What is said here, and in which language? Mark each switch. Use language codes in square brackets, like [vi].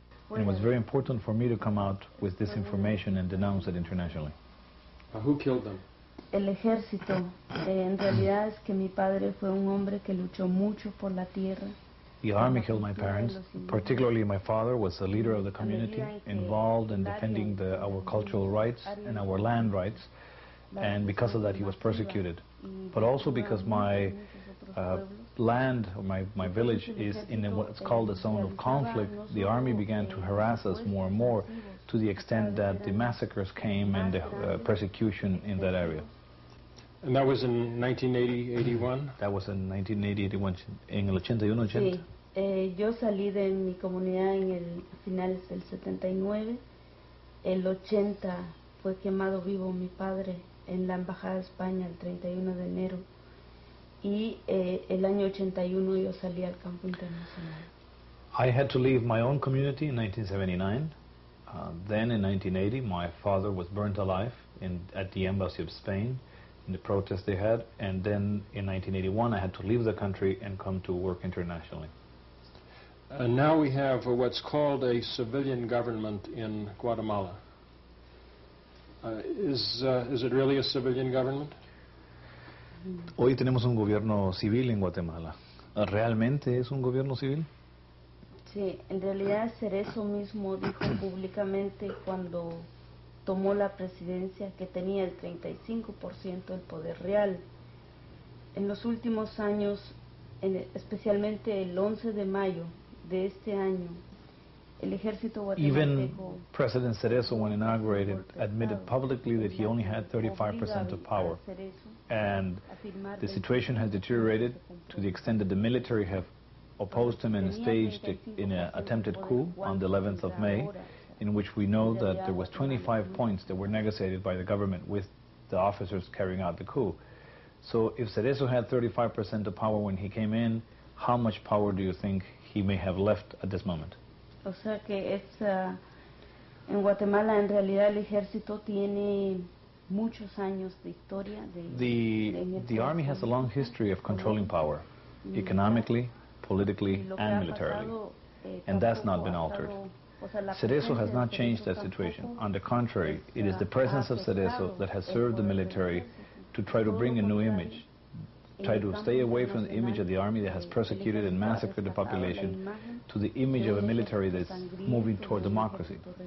[en] And it was very important for me to come out with this information and denounce it internationally. Who killed them? [es] El ejército. En realidad es que mi padre fue un hombre que luchó mucho por la tierra. [en] The army killed my parents, particularly my father was a leader of the community, involved in defending our cultural rights and our land rights, and because of that he was persecuted. But also because my land, or my village, is in what's called a zone of conflict, the army began to harass us more and more, to the extent that the massacres came and the persecution in that area. And that was in 1980-81? That was in 1980-81, [es] en el 81-80. Yo salí de mi comunidad en el finales del 79. El 80 fue quemado vivo mi padre en la embajada de España el 31 de enero. Y el año 81 yo salí al campo internacional. [en] I had to leave my own community in 1979. Then in 1980 my father was burnt alive at the embassy of Spain in the protest they had, and then in 1981 I had to leave the country and come to work internationally. And now we have what's called a civilian government in Guatemala. Is it really a civilian government? [es] Hoy tenemos un gobierno civil en Guatemala. ¿Realmente es un gobierno civil? Sí, en realidad Cerezo mismo dijo públicamente cuando tomó la presidencia que tenía el 35% del poder real. En los últimos años, especialmente el 11 de mayo, de este año, el ejército guatemalteco. [en] Even President Cerezo, when inaugurated, admitted publicly that he only had 35% of power. And the situation has deteriorated to the extent that the military have opposed him and staged in an attempted coup on the 11th of May, in which we know that there was 25 points that were negotiated by the government with the officers carrying out the coup. So if Cerezo had 35% of power when he came in, how much power do you think he may have left at this moment? [es] O sea que es en Guatemala en realidad el ejército tiene muchos años de historia de [en] The army has a long history of controlling power economically, politically and militarily. And that's not been altered. Cerezo has not changed that situation. On the contrary, it is the presence of Cerezo that has served the military to try to bring a new image, try to stay away from the image of the army that has persecuted and massacred the population to the image of a military that's moving toward democracy.